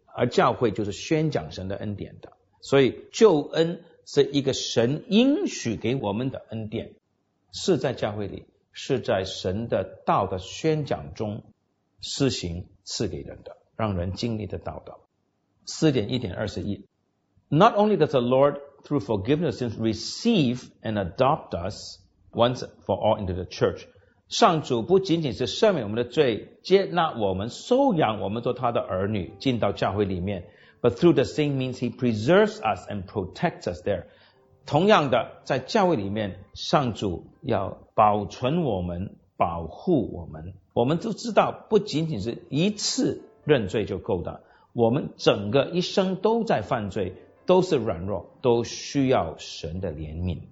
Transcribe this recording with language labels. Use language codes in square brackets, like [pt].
[zh] 而教会就是宣讲神的恩典的。所以救恩是一个神应许给我们的恩典，是在教会里，是在神的道的宣讲中施行赐给人的，让人经历的道的。 [en] 4.1.21 Not only does the Lord through forgiveness receive and adopt us once for all into the church， [zh] 上主不仅仅是赦免我们的罪，接纳我们，收养我们做他的儿女，进到教会里面， [en] But through the same means he preserves us and protects us there. [zh] 同样的，在教会里面，上主要保存我们，保护我们。我们都知道，不仅仅是一次认罪就够的，我们整个一生都在犯罪，都是软弱，都需要神的怜悯。